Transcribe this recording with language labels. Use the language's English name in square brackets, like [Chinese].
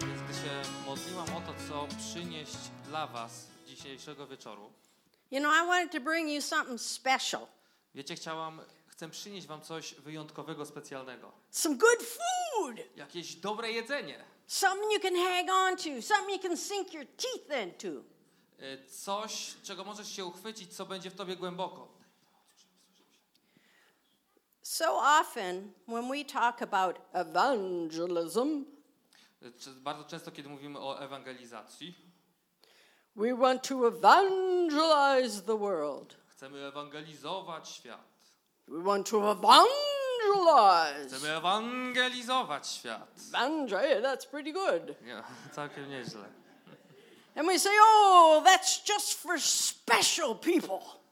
[Polish] Więc gdy się modliłam o to, co przynieść dla was dzisiejszego wieczoru. [English] You know, I wanted to bring you something special. [Polish] Wiecie, chcę przynieść wam coś wyjątkowego, specjalnego. [English] Some good food. [Polish] Jakieś dobre jedzenie. [English] Something you can hang on to, something you can sink your teeth into. [Polish] Coś, czego możesz się uchwycić, co będzie w tobie głęboko. [English] So often when we talk about evangelism, [Polish] bardzo często kiedy mówimy o ewangelizacji, [English] we want to evangelize the world. [Polish] Chcemy ewangelizować świat. [English] We want to evangelize. [Polish] Chcemy ewangelizować świat. [English] Evangelize, that's pretty good. [Polish] Yeah, całkiem nieźle. [English] And we say, oh, that's just for special people.